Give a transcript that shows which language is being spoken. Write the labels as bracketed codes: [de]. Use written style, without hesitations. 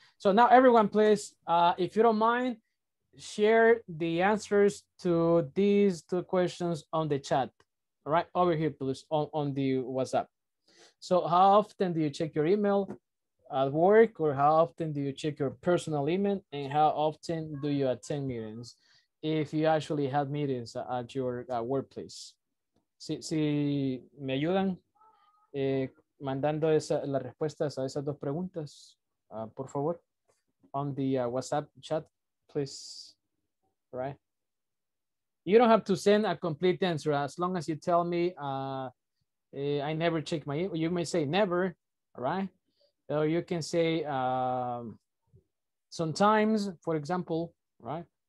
[en] So now everyone, please, if you don't mind, share the answers to these two questions on the chat, right over here, please, on the WhatsApp. So how often do you check your email at work, or how often do you check your personal email, and how often do you attend meetings if you actually have meetings at your workplace? [es] Si me ayudan mandando las respuestas a esas dos preguntas, por favor. [en] On the WhatsApp chat, please. Right. You don't have to send a complete answer. As long as you tell me, I never check my email. You may say never, right? Or you can say sometimes, for example, right?